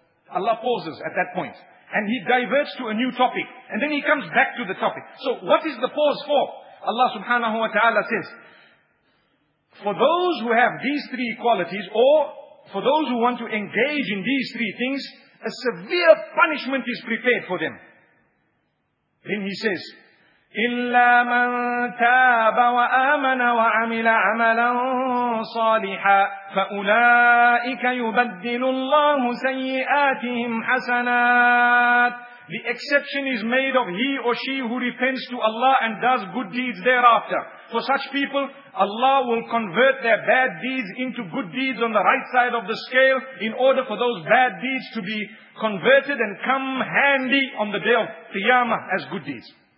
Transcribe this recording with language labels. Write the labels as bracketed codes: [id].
[en] Allah pauses at that point. And He diverts to a new topic. And then He comes back to the topic. So what is the pause for? Allah subhanahu wa ta'ala says, for those who have these three qualities, or for those who want to engage in these three things, a severe punishment is prepared for them. Then He says, [ar] إِلَّا مَن تَابَ وَآمَنَ وَعَمِلَ عَمَلًا صَالِحًا فَأُولَٰئِكَ يُبَدِّلُ اللَّهُ سَيِّئَاتِهِمْ حَسَنَاتٍ. [en] The exception is made of he or she who repents to Allah and does good deeds thereafter. For such people, Allah will convert their bad deeds into good deeds on the right side of the scale in order for those bad deeds to be converted and come handy on the day of Qiyamah as good deeds.